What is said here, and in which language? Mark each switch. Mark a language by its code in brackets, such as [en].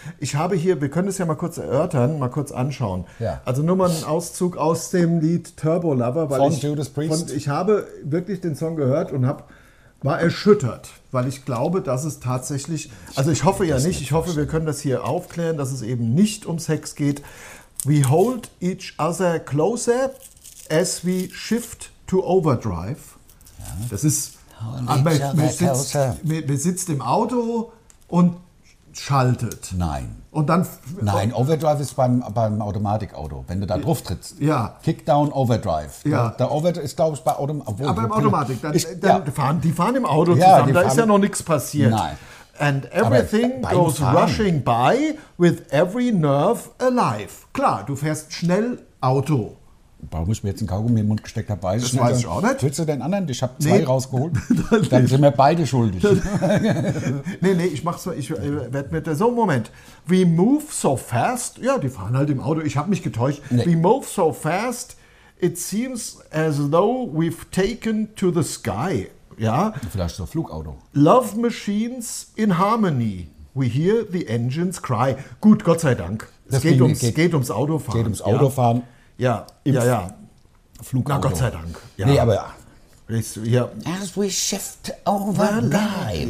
[de] Ich habe hier, wir können es ja mal kurz erörtern, mal kurz anschauen. Ja. Also nur mal einen Auszug aus dem Lied Turbo Lover. Weil von ich, Judas Priest. Und ich habe wirklich den Song gehört und war erschüttert, weil ich glaube, dass es tatsächlich, also ich hoffe ja nicht, ich hoffe, wir können das hier aufklären, dass es eben nicht um Sex geht. [en] We hold each other closer as we shift to overdrive. [de] Das ist, man sitzt im Auto und schaltet. Nein. Und dann Nein, Overdrive ist beim Automatikauto, wenn du da drauf trittst. Ja. Kickdown, Overdrive. Ja. Der Overdrive ist, glaube ich, bei Automatik. Aber beim Automatik, die fahren im Auto zusammen, da ist ja noch nichts passiert. Nein. [en] And everything goes rushing by with every nerve alive. [de] Klar, du fährst schnell Auto. Warum ich mir jetzt einen Kaugummi im Mund gesteckt habe, weiß ich nicht. Das weiß ich auch nicht. Willst du den anderen? Ich habe zwei rausgeholt. Dann sind wir beide schuldig. nee, ich mach's mal. Ich werde mit der. So, Moment. [en] We move so fast. [de] Ja, die fahren halt im Auto. Ich habe mich getäuscht. Nee. [en] We move so fast. It seems as though we've taken to the sky. [de] Ja. Vielleicht so ein Flugauto. [en] Love machines in harmony. We hear the engines cry. [de] Gut, Gott sei Dank. Es geht ums Autofahren. Geht ums Autofahren. Ja. Ja, Flugauto. Na, Gott sei Dank. Ja. Nee, aber ja. [en] As we shift over life.